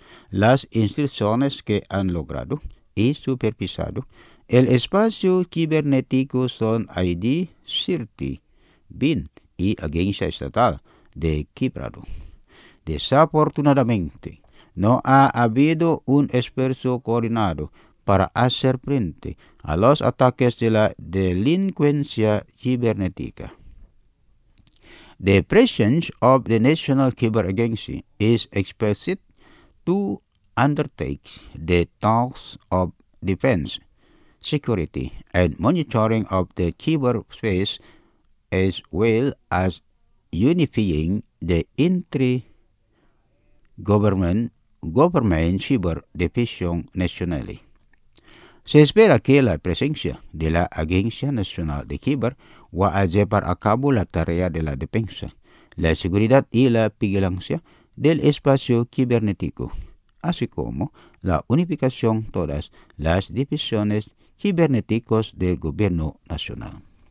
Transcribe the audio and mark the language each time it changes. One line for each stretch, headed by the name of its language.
Spanish: Las instituciones que han logrado y supervisado el espacio cibernético son ID, CIRTI, BIN y Agencia Estatal de Cibrado. Desafortunadamente, no ha habido un esfuerzo coordinado para hacer frente a los ataques de la delincuencia cibernética.
English: The presence of the National Cyber Agency is expected to undertake the task of defense, security, and monitoring of the cyber space as well as unifying the intergovernment cyber division nationally.
Spanish: Se espera que la presencia de la Agencia Nacional de Cyber va a llevar a cabo la tarea de la defensa, la seguridad y la vigilancia del espacio cibernético, así como la unificación de todas las divisiones cibernéticas del gobierno nacional.